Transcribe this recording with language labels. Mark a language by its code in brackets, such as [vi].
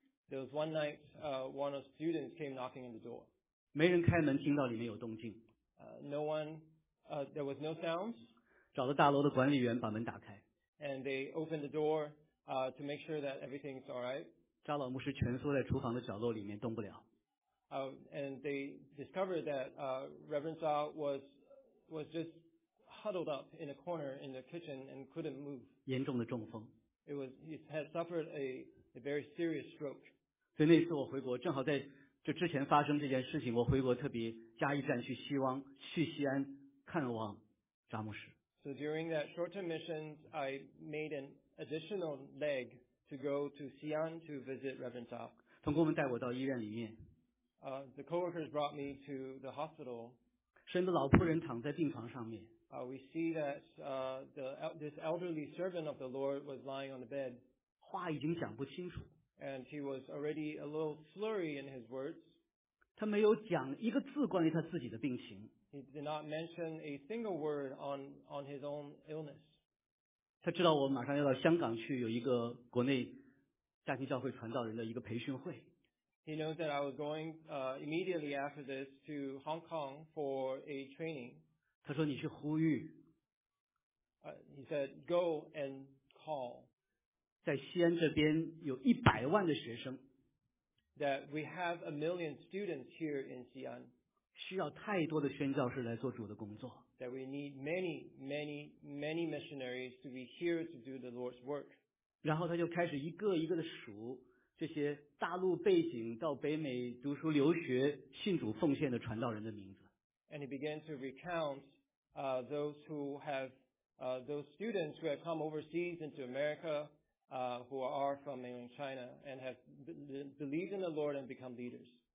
[en] There was one night, one of the students came knocking at the door. [zh] 没人开门，听到里面有动静。 [en] There was no sounds. [zh] 找了大楼的管理员把门打开。 [en] And they opened the door to make sure that everything's all right. [zh] 扎老牧师蜷缩在厨房的角落里面动不了。 [en] And they discovered that Reverend Zha was just huddled up in a corner in the kitchen and couldn't move. [zh] 严重的中风。 [en] He had suffered a very serious stroke. [zh] 所以那次我回国，正好在这之前发生这件事情，我回国特别嘉义站去西安看望扎牧师。 [en] So during that short-term mission, I made an additional leg to go to Xi'an to visit Reverend Zha. [zh] 同工们带我到医院里面。 [en] The co-workers brought me to the hospital. [zh] 神的老仆人躺在病床上面。 [en] We see that this elderly servant of the Lord was lying on the bed. [zh] 话已经讲不清楚。 [en] And he was already a little slurry in his words. [zh] 他没有讲一个字关于他自己的病情。 [en] He did not mention a single word on his own illness. [zh] 他知道我马上要到香港去有一个国内家庭教会传道人的一个培训会。 [en] He knows that I was going immediately after this to Hong Kong for a training. [zh] 他说你去呼吁。 [en] He said, go and call. [zh] 在西安这边有100万的学生。 [en] That we have 1 million students here in Xi'an. [zh] 需要太多的宣教士来做主的工作。 [en] That we need many, many, many missionaries to be here to do the Lord's work. [zh] 然后他就开始一个一个的数这些大陆背景到北美读书留学信主奉献的传道人的名字。 [en] And he began to recount those students who have come overseas into America, who are from mainland China and have believed in the Lord and become leaders.